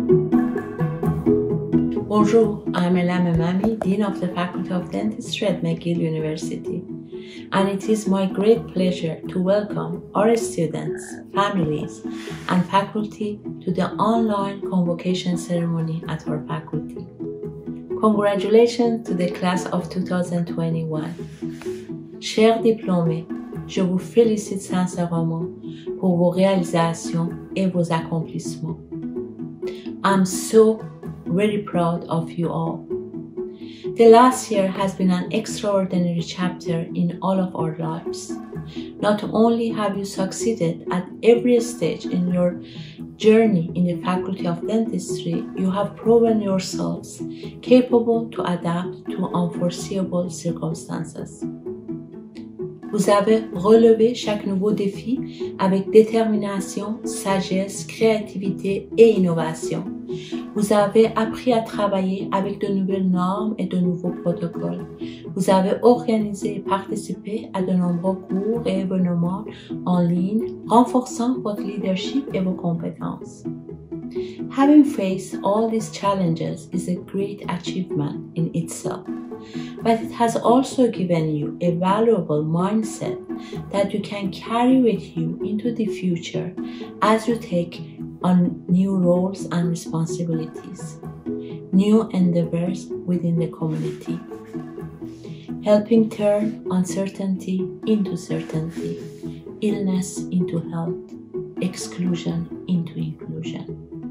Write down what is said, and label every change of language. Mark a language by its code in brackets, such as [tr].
[en] Bonjour, I'm Elam Emami, Dean of the Faculty of Dentistry at McGill University. And it is my great pleasure to welcome our students, families, and faculty to the online convocation ceremony at our faculty. Congratulations to the class of 2021. [fr] Chers diplômés, je vous félicite sincèrement pour vos réalisations et vos accomplissements. [en] I'm so really proud of you all. The last year has been an extraordinary chapter in all of our lives. Not only have you succeeded at every stage in your journey in the Faculty of Dentistry, you have proven yourselves capable to adapt to unforeseeable circumstances. [fr] Vous avez relevé chaque nouveau défi avec détermination, sagesse, créativité et innovation. Vous avez appris à travailler avec de nouvelles normes et de nouveaux protocoles. Vous avez organisé et participé à de nombreux cours et événements en ligne, renforçant votre leadership et vos compétences. [en] Having faced all these challenges is a great achievement in itself, but it has also given you a valuable mindset that you can carry with you into the future as you take on new roles and responsibilities, new endeavors within the community, helping turn uncertainty into certainty, illness into health, exclusion into inclusion.